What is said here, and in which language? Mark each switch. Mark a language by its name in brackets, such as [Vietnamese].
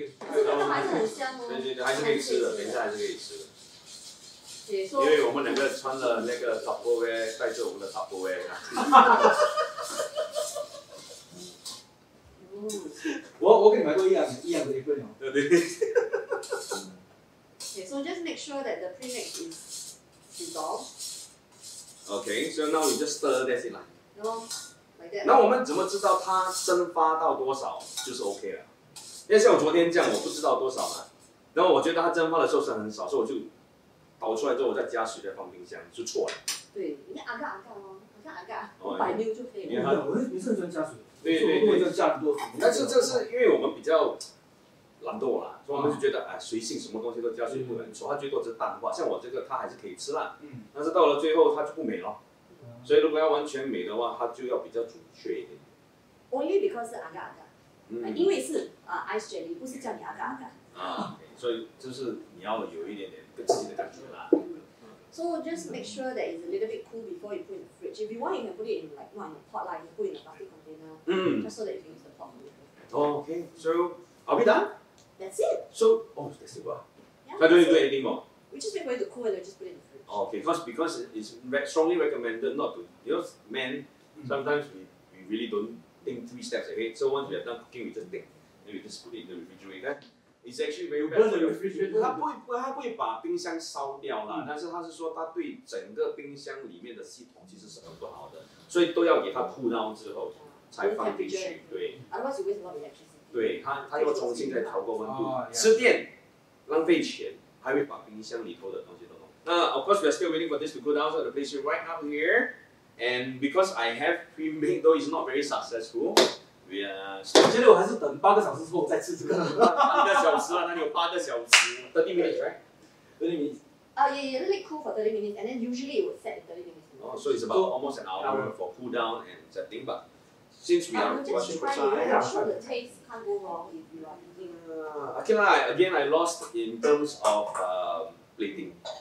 [Chinese] 是这个还是很香哦。对对对，还是可以吃的，等一下还是可以吃的。说因为我们两个穿了那个 Tupperware， 带着我们的 Tupperware。我跟你买过一样的一份哦。对对对。 [English] Okay, so just make sure that the premix is dissolved. Okay, so now we just stir that in. [Chinese] 然后 [English] ，like that. [Chinese] 那我们怎么知道它蒸发到多少就是 OK 了？因为像我昨天这样，我不知道多少嘛。然后我觉得它蒸发的时候是很少，所以我就倒出来之后，我再加水再放冰箱，就错了。对，你阿嘎阿嘎哦，像阿嘎500 ml 就可以了。你是很喜欢加水。对对对，就加很多水。但是这是因为我们比较懒惰啦，所以我们就觉得哎，随性，什么东西都加水不能说，它最多是淡化。像我这个，它还是可以吃啦。嗯。但是到了最后，它就不美了。所以如果要完全美的话，它就要比较准确一点。 [English] Only because [Chinese] 阿嘎阿嘎，因为是ice jelly， 不是叫你阿嘎阿嘎。啊，所以就是你要有一点点跟自己的感觉啦。 [English] So just make sure that it's a little bit cool before you put in the fridge. If you want, you can put it in like not in a pot, like you put in a plastic container, just so that you can use the pot. Okay, so are we done? That's it. So, oh, that's it. Yeah, I don't need to do anything more. We just make it cool and then just put it in the fridge. Okay, because it's strongly recommended not to, you know, men, sometimes we really don't think three steps ahead. So once we are done cooking, we just think, then we just put it in the refrigerator. It's actually very bad. [Chinese] 它不会把冰箱烧掉了，但是它是说它对整个冰箱里面的系统其实是很不好的，所以都要给它 [English] cool down [Chinese] 之后。才放进去，对。 [English] Otherwise, you waste a lot of electricity. [Chinese] 对，它又重新再调过温度，吃电，浪费钱，还会把冰箱里头的东西都弄。 [English] 那 of course, we are still waiting for this to cool down, so the place is right up here. And because I have pre-made, though it's not very successful, we are. [Chinese] 我现在我还是等八个小时之后再吃这个。八个小时啊，那你有八个小时 [English] ，30 minutes, right? 30 minutes. Yeah, let it cool for 30 minutes, and then usually it would set in 30 minutes. Oh, so it's about almost an hour for cool down and setting. But since we are watching for time, I'm sure the taste can't go wrong if you are eating. Okay, again, I lost in terms of plating.